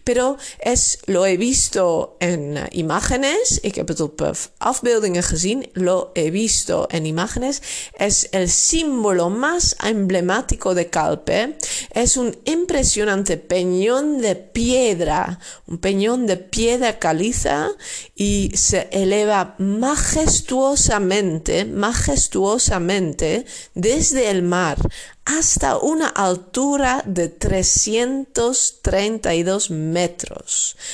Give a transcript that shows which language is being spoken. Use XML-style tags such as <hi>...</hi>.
<es>Pero lo he visto en imágenes.</es> <nl>Ik heb het op afbeeldingen gezien.</nl> <es>Lo he visto en imágenes. Es el símbolo más emblemático de Calpe. Es un impresionante peñón de piedra. Un peñón de piedra caliza. Y se eleva majestuosamente desde el mar hasta una altura de 332 metros.</es>